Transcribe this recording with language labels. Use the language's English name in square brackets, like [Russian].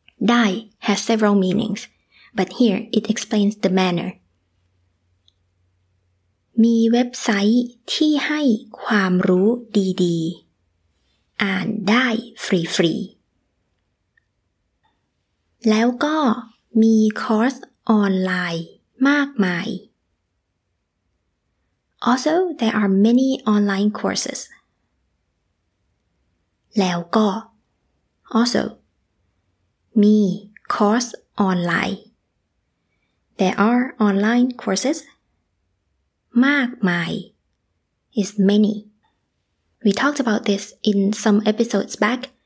[English] ได้ has several meanings, but here it explains the manner. [Thai] มีเว็บไซต์ที่ให้ความรู้ดีๆอ่านได้ [English] free. [Thai] แล้วก็มีคอร์สออนไลน์มากมาย [English] Also, there are many online courses. [Thai] แล้วก็ [English] Also, [Thai] มีคอร์สออนไลน์ [English] There are online courses. มากมาย is many. We talked about this in some episodes back.